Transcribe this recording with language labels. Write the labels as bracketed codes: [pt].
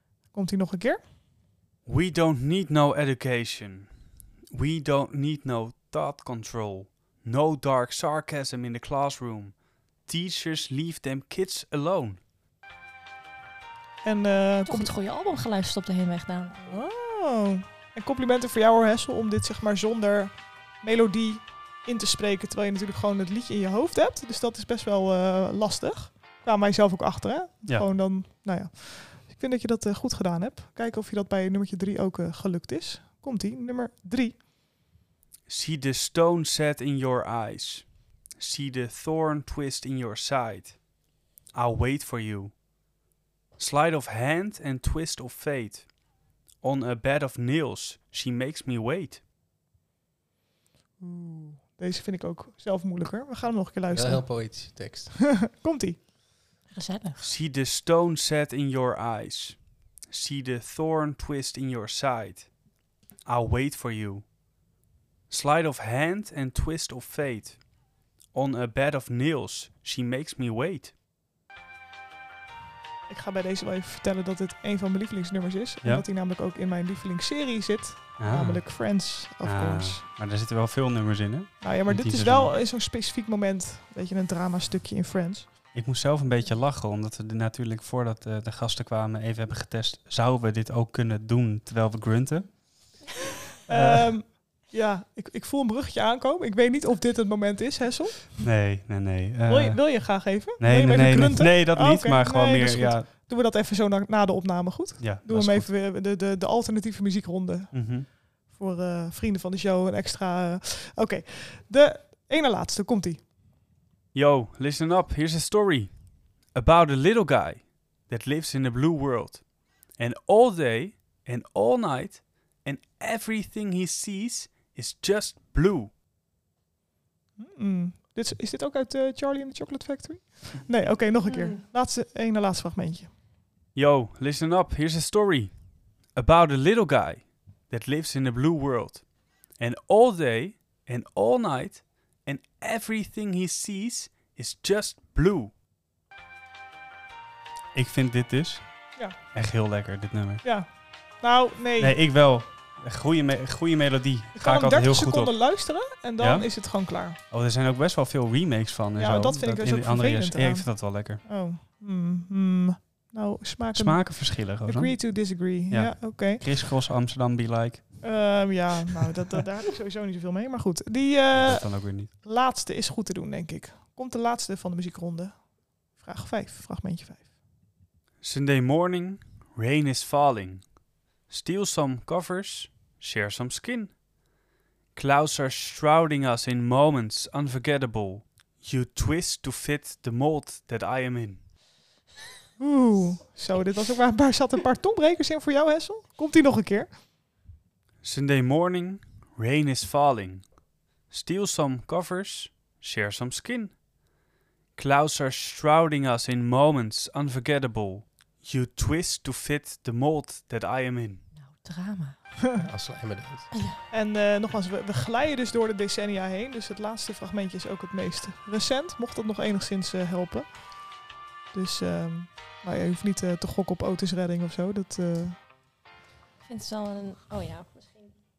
[nl] Komt-ie nog een keer? [en] We don't need no education. We don't need no thought control. No dark sarcasm in the classroom. Teachers leave them kids alone. [nl] En komt het goede album geluisterd op de heenweg dan. Wow. En complimenten voor jou hoor, Hessel, om dit zeg maar zonder melodie in te spreken, terwijl je natuurlijk gewoon het liedje in je hoofd hebt. Dus dat is best wel lastig. Ja, maar jezelf ook achter, hè? Ja. Gewoon dan, nou ja. Dus ik vind dat je dat goed gedaan hebt. Kijken of je dat bij nummertje 3 ook gelukt is. Komt-ie, nummer 3. [en] See the stone set in your eyes. See the thorn twist in your side. I'll wait for you. Sleight of hand and twist of fate. On a bed of nails, she makes me wait. [nl] Deze vind ik ook zelf moeilijker. We gaan hem nog een keer luisteren. Ja, heel poëtische tekst. Komt-ie. Gezellig. [en] See the stone set in your eyes. See the thorn twist in your side. I'll wait for you. Sleight of hand and twist of fate. On a bed of nails, she makes me wait. [nl] Ik ga bij deze wel even vertellen dat het een van mijn lievelingsnummers is. Ja. Omdat hij namelijk ook in mijn lievelingsserie zit. Ah. Namelijk Friends, [en] of course. [nl] Maar daar zitten wel veel nummers in, hè? Nou ja, maar dit is wel in zo'n specifiek moment. Weet je, een dramastukje in Friends. Ik moest zelf een beetje lachen, omdat we natuurlijk voordat de gasten kwamen even hebben getest. Zouden we dit ook kunnen doen terwijl we grunten? Ja, ik voel een bruggetje aankomen. Ik weet niet of dit het moment is, Hessel. Nee. Wil je graag even? Nee, dat niet. Okay. Maar gewoon nee, meer, ja. Doen we dat even zo na de opname goed? Ja, doen we hem even weer de alternatieve muziekronde. Mm-hmm. Voor vrienden van de show een extra... Oké, de ene laatste, komt-ie. [en] Yo, listen up. Here's a story. About a little guy that lives in the blue world. And all day and all night... And everything he sees is just blue. [nl] Is dit ook uit Charlie and the Chocolate Factory? Nee, oké, nog een keer. Laatste fragmentje. [en] Yo, listen up. Here's a story. About a little guy that lives in the blue world. And all day and all night. And everything he sees is just blue. [nl] Ik vind dit dus echt heel lekker, dit nummer. Ja. Nou, nee. Nee, ik wel. Goede melodie. Ik ga hem 30 seconden luisteren en dan is het gewoon klaar. Oh, er zijn ook best wel veel remakes van. Ja, dat vind ik dus ook vervelend. Ja, ik vind dat wel lekker. Oh. Mm-hmm. Nou, smaken verschillen. [en] Agree to disagree. [nl] Ja, oké. Okay. Chris Cross Amsterdam, [en] be like. [nl] Daar heb ik sowieso niet zoveel mee. Maar goed, die dat kan ook weer niet. Laatste is goed te doen, denk ik. Komt de laatste van de muziekronde. Vraag 5, fragmentje 5. [en] Sunday morning, rain is falling. Steal some covers, share some skin. Clouds are shrouding us in moments unforgettable. You twist to fit the mold that I am in. [nl] Oeh, zo, dit was ook waar zat een paar tongbrekers in voor jou, Hessel. Komt die nog een keer? Sunday morning, rain is falling. Steal some covers, share some skin. Clouds are shrouding us in moments unforgettable. You twist to fit the mold that I am in. Nou, drama. Als we helemaal dood. En nogmaals, we glijden dus door de decennia heen. Dus het laatste fragmentje is ook het meest recent. Mocht dat nog enigszins helpen. Dus je hoeft niet te gokken op Otis Redding of zo. Dat, Ik vind het wel een... Oh ja, misschien.